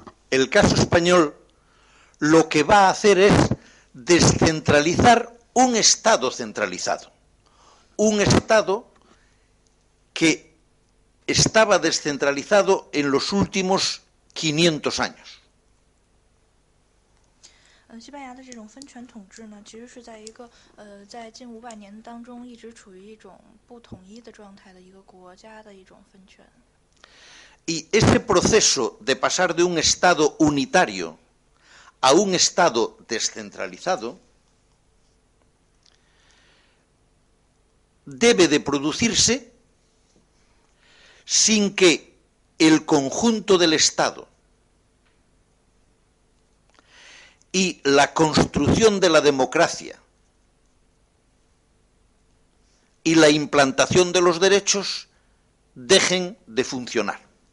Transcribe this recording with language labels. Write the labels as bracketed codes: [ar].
[es] El caso español, lo que va a hacer es descentralizar un Estado centralizado, un Estado que estaba descentralizado en los últimos 500 años. [zh] 西班牙的这种分权统治呢，其实是在一个在近500年当中一直处于一种不统一的状态的一个国家的一种分权。 [es] Y ese proceso de pasar de un Estado unitario a un Estado descentralizado debe de producirse sin que el conjunto del Estado y la construcción de la democracia y la implantación de los derechos dejen de funcionar.